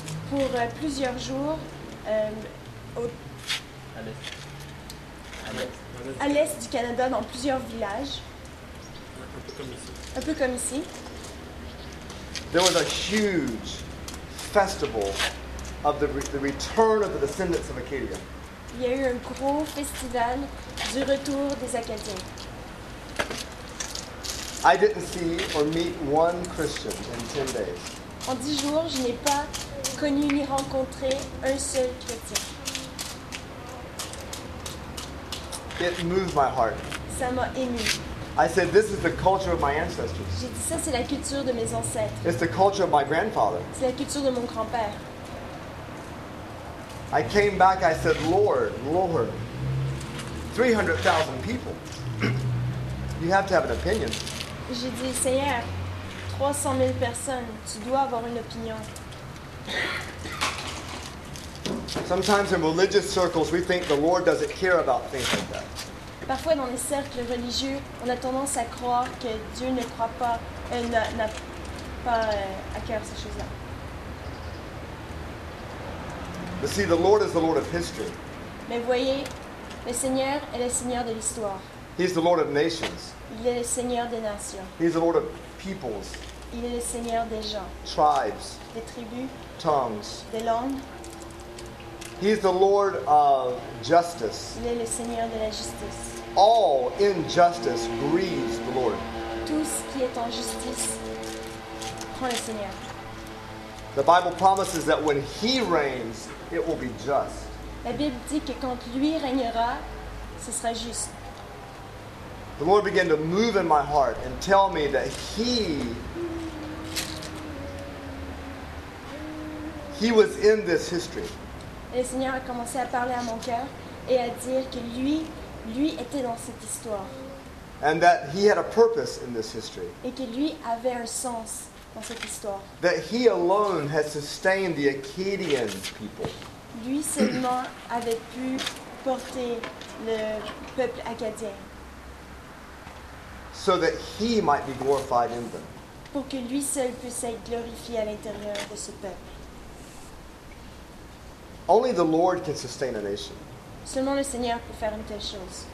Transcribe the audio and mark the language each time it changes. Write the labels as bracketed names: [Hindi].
[French] Pour plusieurs jours, à l'est du Canada, dans plusieurs villages. Un peu comme ici. [English] There was a huge festival of the return of the descendants of Acadia. [French] Il y a eu un gros festival du retour des Acadiens. [English] I didn't see or meet one Christian in 10 days. [French] En 10 jours, je n'ai pas connu ni rencontré un seul chrétien. [English] It moved my heart. [French] Ça m'a ému. [English] I said, this is the culture of my ancestors. [French] J'ai dit, ça c'est la culture de mes ancêtres. [English] It's the culture of my grandfather. [French] C'est la culture de mon grand-père. [English] I came back, I said, Lord, 300,000 people. You have to have an opinion. [French] J'ai dit, Seigneur, 300 000 personnes, tu dois avoir une opinion. [English] Sometimes in religious circles, we think the Lord doesn't care about things like that. [French] Parfois dans les cercles religieux, on a tendance à croire que Dieu ne croit pas, n'a pas à cœur ces choses-là. [English] But see, the Lord is the Lord of history. [French] Mais voyez, le Seigneur est le Seigneur de l'histoire. [English] He's the Lord of nations. [French] Il est le Seigneur des nations. [English] He's the Lord of peoples. [French] Il est le Seigneur des gens. [English] Tribes. [French] Des tribus. [English] Tongues. [French] Des langues. [English] He's the Lord of justice. [French] Il est le Seigneur de la justice. [English] All injustice grieves the Lord. [French] Tout ce qui est en justice prend le Seigneur. [English] The Bible promises that when he reigns, it will be just. [French] La Bible dit que quand lui régnera, ce sera juste. [English] The Lord began to move in my heart and tell me that he was in this history. [French] Le Seigneur a commencé à parler à mon cœur et à dire que lui était dans cette histoire. [English] And that he had a purpose in this history. [French] Et que lui avait un sens. Cette [English] that he alone has sustained the Acadian people. [French] Lui seulement avait pu porter le peuple acadien. [English] So that he might be glorified in them. [French] Pour que lui seul puisse être glorifié à l'intérieur de ce peuple. [English] Only the Lord can sustain a nation. [French] Seulement le Seigneur peut faire une telle chose.